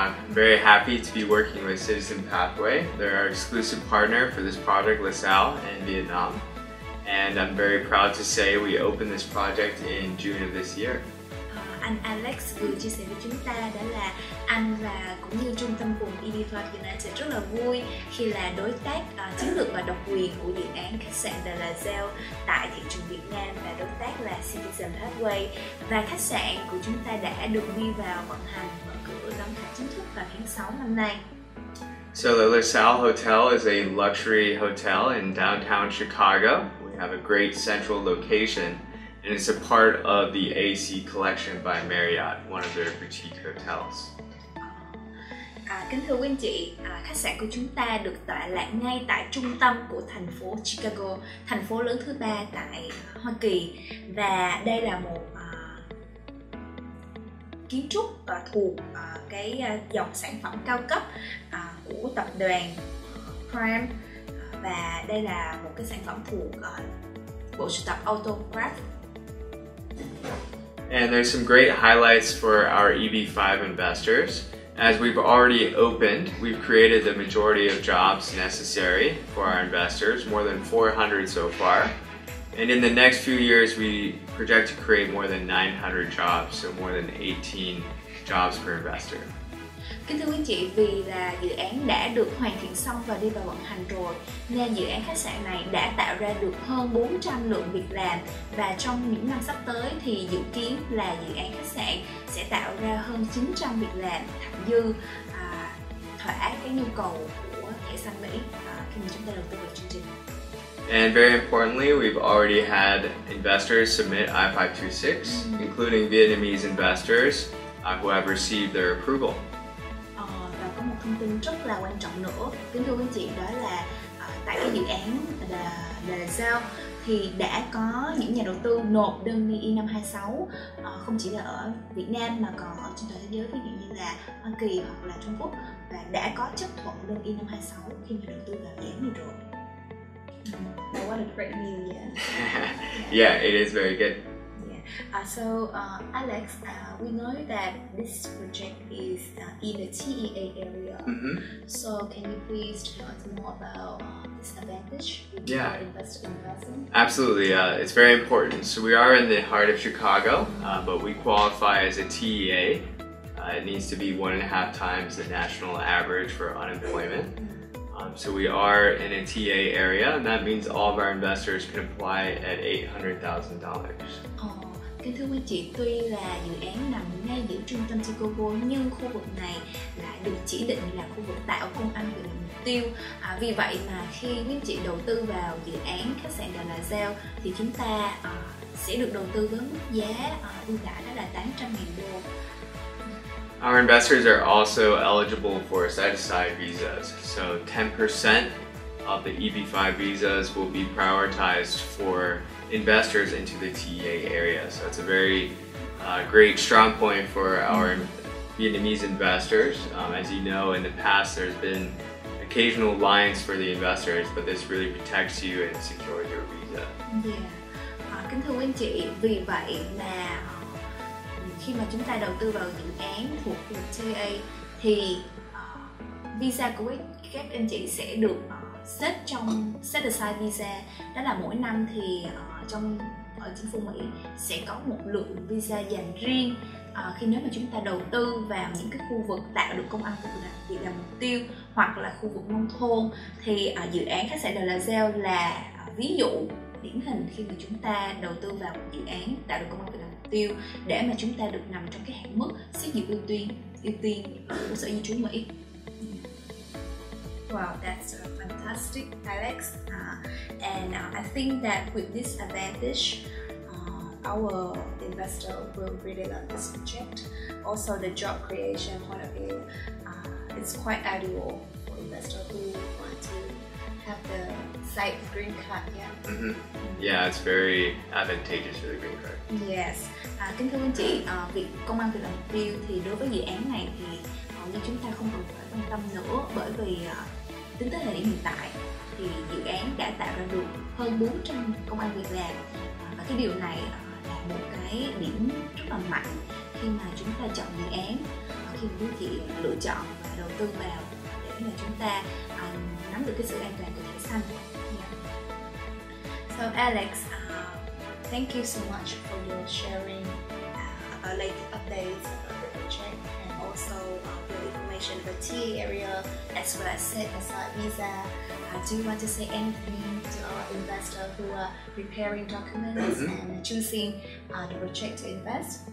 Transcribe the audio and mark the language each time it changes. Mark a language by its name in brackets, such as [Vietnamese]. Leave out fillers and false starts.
[English] Very happy to be working with Citizen Pathway. They're our exclusive partner for this project, Lasalle, in Vietnam. And I'm very proud to say we opened this project in June of this year. [Vietnamese] Anh Alex vừa chia sẻ với chúng ta đó là anh và cũng như trung tâm vùng EB5 United rất là vui khi là đối tác chiến lược và độc quyền của dự án khách sạn The Laselle tại thị trường Việt Nam và đối tác là Citizen Pathway. Và khách sạn của chúng ta đã được đi vào vận hành, mở cửa đón khách chính thức vào tháng 6 năm nay. [English] So the Lasalle Hotel is a luxury hotel in downtown Chicago. We have a great central location. And it's a part of the AC collection by Marriott, one of their boutique hotels. [Vietnamese] Kính thưa quý anh chị, khách sạn của chúng ta được tọa lạc ngay tại trung tâm của thành phố Chicago, thành phố lớn thứ ba tại Hoa Kỳ. Và đây là một kiến trúc thuộc cái dòng sản phẩm cao cấp của tập đoàn Prime. Và đây là một cái sản phẩm thuộc bộ sưu tập Autograph. [English] And there's some great highlights for our EB5 investors. As we've already opened, we've created the majority of jobs necessary for our investors, more than 400 so far. And in the next few years, we project to create more than 900 jobs, so more than 18 jobs per investor. [Vietnamese] Kính thưa quý chị, vì là dự án đã được hoàn thiện xong và đi vào vận hành rồi nên dự án khách sạn này đã tạo ra được hơn 400 lượng việc làm, và trong những năm sắp tới thì dự kiến là dự án khách sạn sẽ tạo ra hơn 900 việc làm thặng dư thỏa cái nhu cầu của thẻ xanh Mỹ khi mà chúng ta đầu tư vào chương trình. [English] And very importantly, we've already had investors submit I-526, including Vietnamese investors who have received their approval. [Vietnamese] Thông tin rất là quan trọng nữa, kính thưa quý chị, đó là tại cái dự án Laselle thì đã có những nhà đầu tư nộp đơn I-526 không chỉ là ở Việt Nam mà còn ở trên toàn thế giới, ví dụ như là Hoa Kỳ hoặc là Trung Quốc, và đã có chấp thuận đơn I-526 khi nhà đầu tư vào dự án này rồi. [English] So what a great news, yeah. Yeah, it is very good. Alex, we know that this project is in the TEA area. Mm-hmm. So can you please tell us more about this advantage with your investment? Absolutely, it's very important. So we are in the heart of Chicago, but we qualify as a TEA. It needs to be 1.5 times the national average for unemployment. So we are in a TA area, and that means all of our investors can apply at $800,000. [Vietnamese] Kính thưa quý chị, tuy là dự án nằm ngay giữa trung tâm Chicago nhưng khu vực này lại được chỉ định là khu vực tạo công ăn việc làm mục tiêu. Vì vậy mà khi quý chị đầu tư vào dự án khách sạn The Laselle thì chúng ta sẽ được đầu tư với mức giá ưu đãi đó là $800,000. [English] Our investors are also eligible for set-aside visas. So 10% of the EB-5 visas will be prioritized for investors into the TEA area. So it's a very great strong point for our Vietnamese investors. As you know, in the past there's been occasional lines for the investors, but this really protects you and secures your visa. Yeah. [Vietnamese] Kính thưa anh chị, vì vậy mà khi mà chúng ta đầu tư vào dự án thuộc khu vực TEA thì visa của các anh chị sẽ được xếp trong set aside visa. Đó là mỗi năm thì ở chính phủ Mỹ sẽ có một lượng visa dành riêng khi nếu mà chúng ta đầu tư vào những cái khu vực tạo được công ăn việc làm mục tiêu hoặc là khu vực nông thôn, thì dự án khách sạn The Laselle là ví dụ điển hình khi mà chúng ta đầu tư vào một dự án tạo được công ăn việc làm mục tiêu để mà chúng ta được nằm trong cái hạng mức xét duyệt ưu tiên của sở di trú Mỹ. [English] Wow, that's a fantastic, Alex. And I think that with this advantage, our investor will really love this project. Also, the job creation point of view, it's quite ideal for investor who want to have the site green card. Yeah. Mm-hmm. Yeah, it's very advantageous for the green card. Yes. [Vietnamese] Kính thưa anh chị, việc công ăn việc làm tiêu thì đối với dự án này thì như chúng ta không cần phải quan tâm nữa, bởi vì tính tới thời điểm hiện tại thì dự án đã tạo ra được hơn 400 công ăn việc làm, và cái điều này là một cái điểm rất là mạnh khi mà chúng ta chọn dự án, khi quý chị lựa chọn và đầu tư vào để mà chúng ta nắm được cái sự an toàn của thẻ xanh. [English] So Alex, thank you so much for your sharing our latest updates about the project and also your information about TA area as well as set aside visa. Do you want to say anything to our investors who are preparing documents and choosing the project to invest?